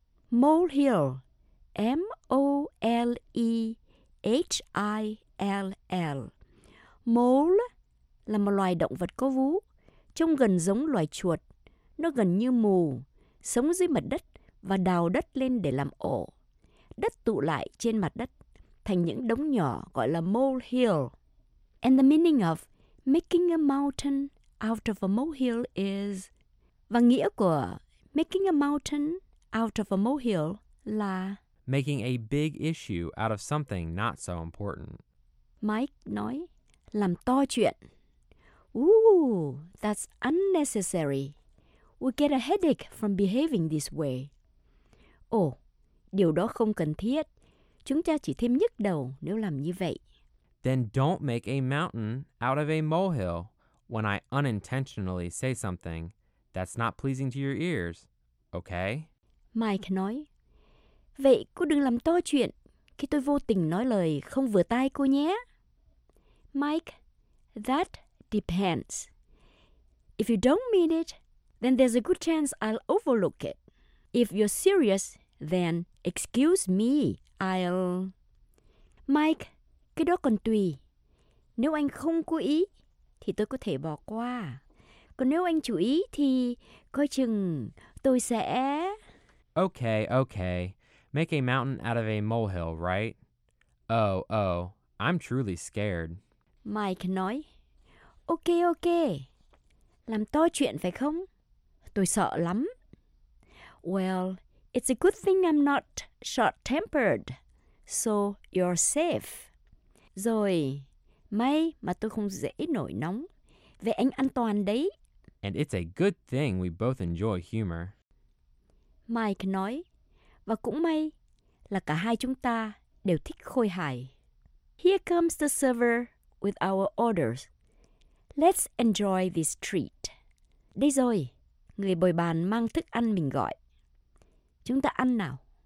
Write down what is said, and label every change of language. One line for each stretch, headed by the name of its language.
English: Molehill, M-O-L-E-H-I-L-L.
Vietnamese: Mole là một loài động vật có vú, trông gần giống loài chuột. Nó gần như mù, sống dưới mặt đất và đào đất lên để làm ổ. Đất tụ lại trên mặt đất thành những đống nhỏ gọi là molehill.
English: And the meaning of making a mountain out of a molehill is...
Vietnamese: Và nghĩa của
English: making a mountain out of a molehill
Vietnamese: là...
English: Making a big issue out of something not so important.
Vietnamese: Mike nói, làm to chuyện.
English: Ooh, that's unnecessary. We get a headache from behaving this way.
Vietnamese: Oh, điều đó không cần thiết. Chúng ta chỉ thêm nhức đầu nếu làm như vậy.
English: Then don't make a mountain out of a molehill when I unintentionally say something that's not pleasing to your ears, okay?
Vietnamese: Mike nói, vậy cô đừng làm to chuyện khi tôi vô tình nói lời không vừa tai cô nhé.
English: Mike, that depends. If you don't mean it, then there's a good chance I'll overlook it. If you're serious, then excuse me, I'll...
Vietnamese: Mike, cái đó còn tùy. Nếu anh không cố ý, thì tôi có thể bỏ qua. Còn nếu anh chú ý, thì coi chừng tôi sẽ...
English: Okay, okay. Make a mountain out of a molehill, right? Oh, oh, I'm truly scared.
Vietnamese: Mike nói, okay, okay. Làm to chuyện phải không? Tôi sợ lắm.
English: Well, it's a good thing I'm not short-tempered. So, you're safe.
Vietnamese: Rồi, may mà tôi không dễ nổi nóng, về anh an toàn đấy.
English: And it's a good thing we both enjoy humor.
Vietnamese: Mike nói, và cũng may là cả hai chúng ta đều thích khôi hài.
English: Here comes the server with our orders. Let's enjoy this treat.
Vietnamese: Đây rồi, người bồi bàn mang thức ăn mình gọi. Chúng ta ăn nào.